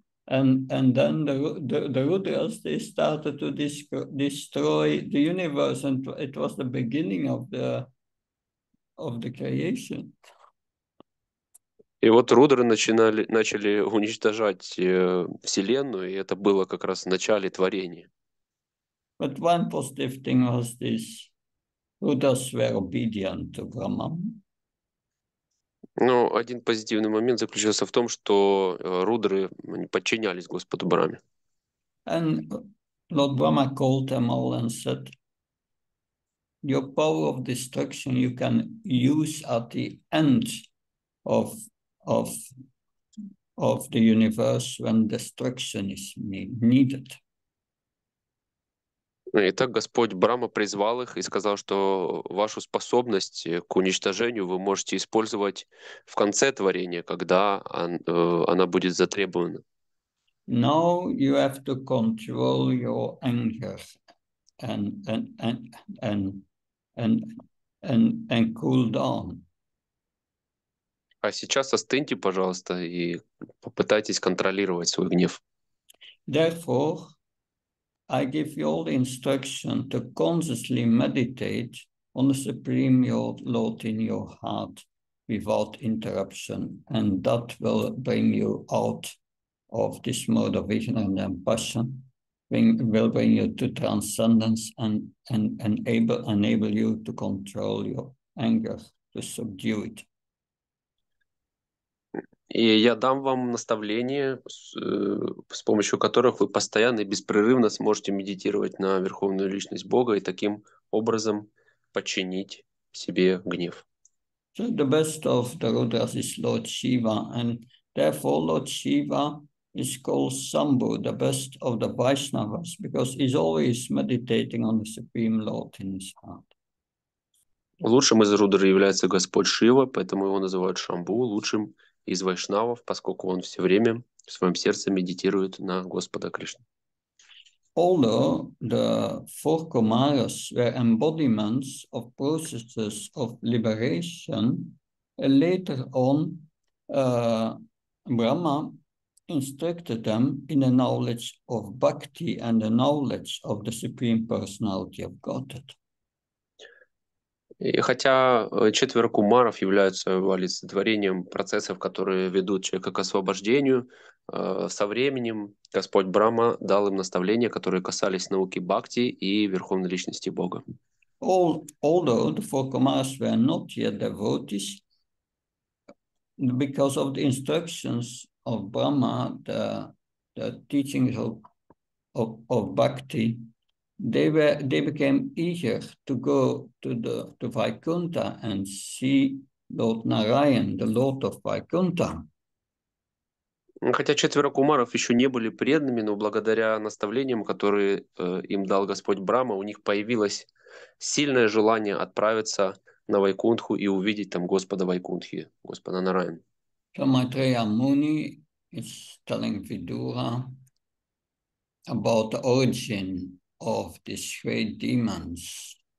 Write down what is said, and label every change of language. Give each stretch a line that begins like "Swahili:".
English: And then the Rudras, they started to destroy the universe, and it was the beginning of the creation.
Russian: И вот рудеры начали уничтожать Вселенную, и это было как раз в начале творения.
English: But one positive thing was this. Rudras were obedient to Brahma.
Russian: Но один позитивный момент заключался в том, что рудры подчинялись Господу Браме.
English: And Lord Brahma called them all and said, your power of destruction you can use at the end of the universe when destruction is needed.
Russian: Итак, Господь Брама призвал их и сказал, что вашу способность к уничтожению вы можете использовать в конце творения, когда она будет затребована.
English: Now you have to control your anger and cool down.
Russian: А сейчас остыньте, пожалуйста, и попытайтесь контролировать свой гнев.
English: Therefore, I give you all the instruction to consciously meditate on the Supreme Lord in your heart without interruption, and that will bring you out of this mode of ignorance and passion, will bring you to transcendence and enable you to control your anger, to subdue it.
Russian: И я дам вам наставления, с помощью которых вы постоянно и беспрерывно сможете медитировать на Верховную Личность Бога и таким образом подчинить себе гнев.
English: So the best of the rudras is Lord Shiva, and therefore Lord Shiva is called Sambhu, the best of the Vaishnavas, because he's always meditating on the Supreme Lord in his heart.
Russian: Лучшим из рудр является Господь Шива, поэтому его называют Шамбу, лучшим из вайшнавов, поскольку он все время в своем сердце медитирует на Господа Кришну.
English: Although the four Kumaras were embodiments of processes of liberation, later on, Brahma instructed them in the knowledge of bhakti and the knowledge of the Supreme Personality of Godhead.
Russian: И хотя четверо кумаров являются олицетворением процессов, которые ведут человека к освобождению, со временем Господь Брама дал им наставления, которые касались науки бхакти и Верховной Личности Бога.
English: Although the four kumaras were not yet devotees, because of the instructions of Brahma, the teachings of bhakti, they became eager to go to Vaikuntha and see Lord Narayan, the Lord of Vaikuntha.
Russian: Хотя четверо кумаров еще не были преданными, но благодаря наставлениям, которые им дал Господь Брама, у них появилось сильное желание отправиться на Вайкунтху и увидеть там Господа Вайкунтхи, Господа Нараян.
English: So Maitreya Muni is telling Vidura about the origin of these great demons.